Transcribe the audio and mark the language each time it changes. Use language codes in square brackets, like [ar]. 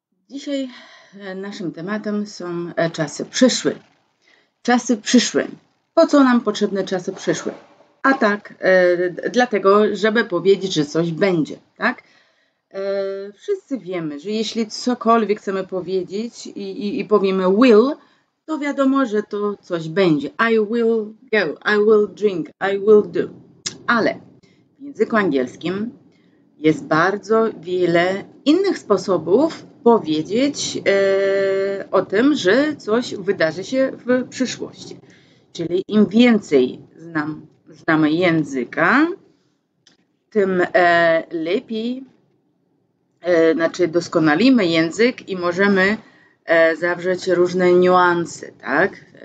[pl] Dzisiaj naszym tematem są czasy przyszłe. Czasy przyszłe. Po co nam potrzebne czasy przyszłe? A tak, dlatego, żeby powiedzieć, że coś będzie, tak? Wszyscy wiemy, że jeśli cokolwiek chcemy powiedzieć i powiemy will, to wiadomo, że to coś będzie. [en] I will go, I will drink, I will do. [pl] Ale w języku angielskim jest bardzo wiele innych sposobów powiedzieć o tym, że coś wydarzy się w przyszłości. Czyli im więcej znamy języka, tym lepiej, znaczy doskonalimy język i możemy zawrzeć różne niuanse, tak?